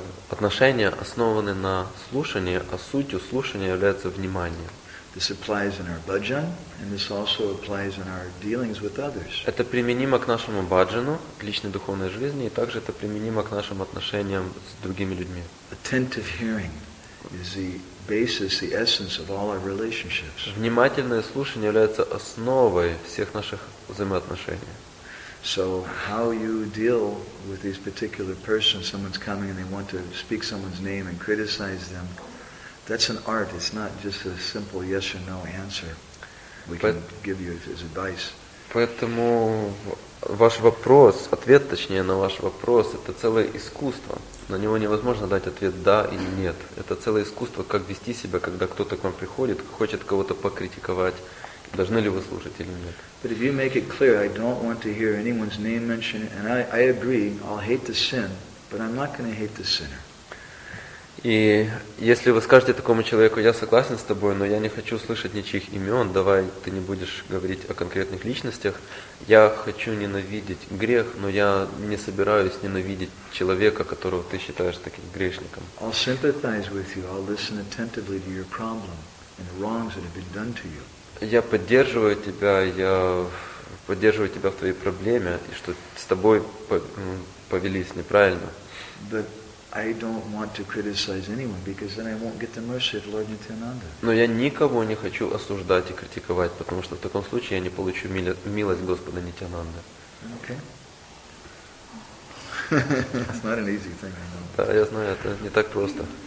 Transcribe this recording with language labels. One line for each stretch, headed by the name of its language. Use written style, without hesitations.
Russian: Отношения основаны на слушании, а сутью слушания является внимание.
English: This applies in our bhajan, and this also applies in our dealings with others.
Russian: Это применимо к нашему баджану, к личной духовной жизни, и также это применимо к нашим отношениям с другими людьми.
English: Attentive hearing is the basis, the essence of all our relationships.
Russian: Внимательное слушание является основой всех наших взаимоотношений.
English: So how you deal with these particular persons, someone's coming and they want to speak someone's name and criticize them, that's an art. It's not just a simple yes or no answer we can give you as advice.
Russian: Поэтому ваш вопрос, ответ точнее на ваш вопрос, это целое искусство. На него невозможно дать ответ «да» или «нет». Это целое искусство, как вести себя, когда кто-то к вам приходит, хочет кого-то покритиковать, должны ли вы слушать или нет.
English: But if you make it clear, I don't want to hear anyone's name mentioned, and I agree, I'll hate the sin, but I'm not going to hate the sinner.
Russian: И если вы скажете такому человеку, я согласен с тобой, но я не хочу слышать ничьих имен, давай ты не будешь говорить о конкретных личностях, я хочу ненавидеть грех, но я не собираюсь ненавидеть человека, которого ты считаешь таким грешником.
English: I'll sympathize with you, I'll listen attentively to your problem and the wrongs that have been done to you.
Russian: Я поддерживаю тебя, в твоей проблеме, и что с тобой повелись неправильно.
English: I don't want to criticize anyone because then I won't get the mercy of Lord Nityananda.
Russian: Но я никого не хочу осуждать и критиковать, потому что в таком случае я не получу милость Господа Нитянанды.
English: Okay. It's not an easy thing, I know.
Russian: Да, я знаю, это не так просто.